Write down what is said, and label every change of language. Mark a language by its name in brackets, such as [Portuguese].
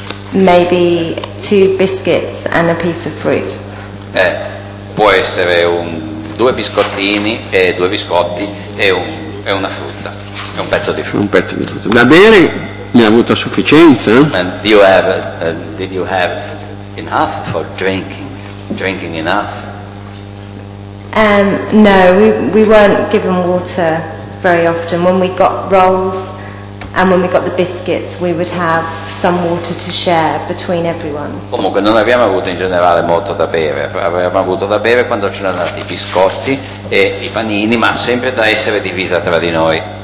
[English] Maybe two biscuits and a piece of fruit. [Italian] Può essere due biscottini e due biscotti e una frutta, e un pezzo di frutta. Un pezzo di frutta. Da bere ne ha avuto a sufficienza? [English] And you have, did you have enough for drinking enough? No, we weren't given water very often. When we got rolls. And when we got the biscuits, we would have some water to share between everyone. [Italian] Comunque non abbiamo avuto in generale molto da bere. Avevamo avuto da bere quando c'erano andati i biscotti e i panini, ma sempre da essere divisa tra di noi.